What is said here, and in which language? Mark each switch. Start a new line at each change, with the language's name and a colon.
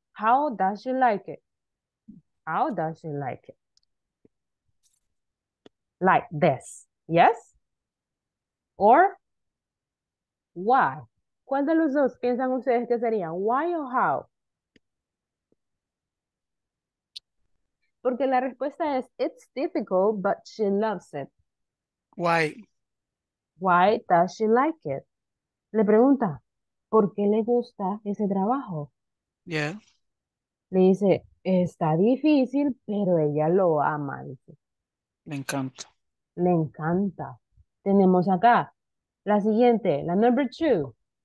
English: How does she like it? How does she like it? Like this. Yes? Or why?
Spanish: ¿Cuál de los dos piensan ustedes que sería?
English: Why or how?
Spanish: Porque la respuesta es
English: it's difficult, but she loves it. Why? Why does she like it?
Spanish: Le pregunta, ¿por qué le gusta ese trabajo?
English: Yeah.
Spanish: Le dice, está difícil, pero ella lo ama. Dice. Me encanta. Le encanta. Tenemos acá la siguiente, la number two.